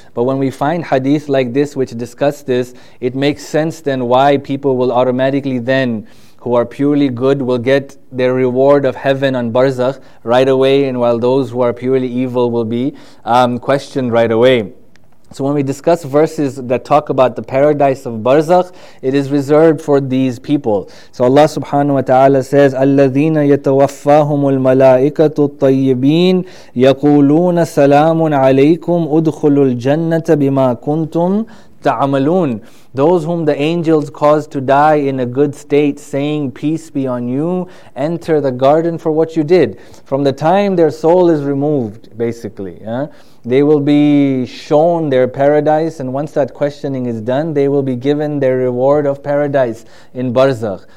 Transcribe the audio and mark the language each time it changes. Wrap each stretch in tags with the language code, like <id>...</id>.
<en>But when we find hadith like this which discuss this, it makes sense then why people will automatically then, who are purely good, will get their reward of heaven on Barzakh right away, and while those who are purely evil will be questioned right away. So when we discuss verses that talk about the paradise of Barzakh, it is reserved for these people. So</en> <ar>Allah subhanahu wa ta'ala</ar> <en>says,</en> <ar>الَّذِينَ يَتَوَفَّاهُمُ الْمَلَائِكَةُ الطَّيِّبِينَ يَقُولُونَ سَلَامٌ عَلَيْكُمْ أُدْخُلُوا الْجَنَّةَ بِمَا كُنْتُمْ تَعْمَلُونَ.</ar> <en>Those whom the angels caused to die in a good state, saying, peace be on you, enter the garden for what you did. From the time their soul is removed, basically, they will be shown their paradise, and once that questioning is done, they will be given their reward of paradise in Barzakh.</en>